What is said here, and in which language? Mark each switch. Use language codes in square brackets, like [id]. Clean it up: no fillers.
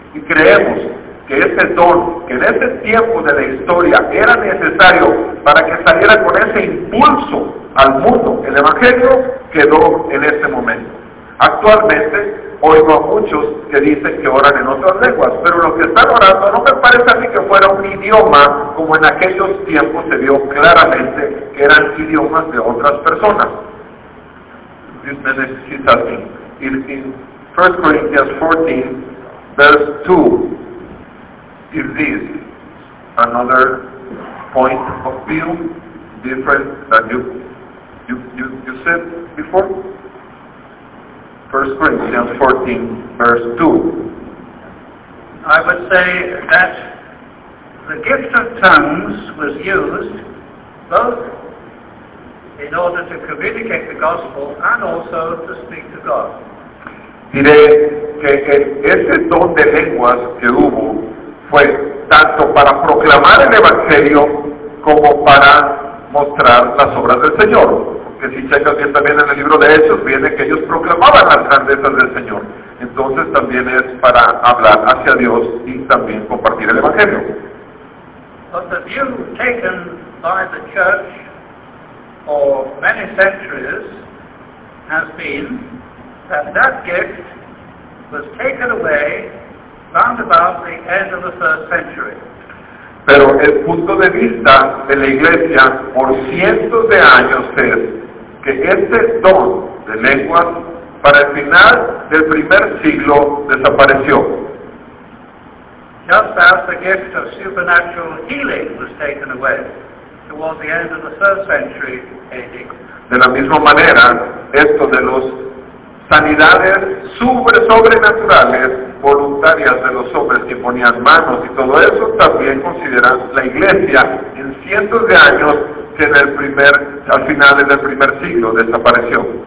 [es] Y creemos que ese don, que en ese tiempo de la historia era necesario para que saliera con ese impulso al mundo, el Evangelio quedó en ese momento. Actualmente, oigo a muchos que dicen que oran en otras lenguas, pero lo que están orando no me parece a mí que fuera un idioma, como en aquellos tiempos se vio claramente que eran idiomas de otras personas. Dios me necesita a mí. [en] En 1 Corinthians 14, verse 2, is this another point of view different than you said before? 1 Corinthians 14, verse 2. I would say that the gift of tongues was used both in order to communicate the gospel and also to speak to God. [es] Diré que ese don de lenguas que hubo fue tanto para proclamar el Evangelio como para mostrar las obras del Señor. Que si checas bien también en el libro de Hechos, viene que ellos proclamaban las grandezas del Señor. Entonces también es para hablar hacia Dios y también compartir el Evangelio. [en] But the view taken by the church for many centuries has been that gift was taken away round about the end of the first century. [es] Pero el punto de vista de la iglesia por cientos de años es que este don de lenguas para el final del primer siglo desapareció. [en] Just as the gift of supernatural healing was taken away towards the end of the third century AD. [es] De la misma manera, esto de las sanidades sobrenaturales voluntarias de los hombres que ponían manos y todo eso también considera la iglesia en cientos de años que en el primer, al final del primer siglo desapareció.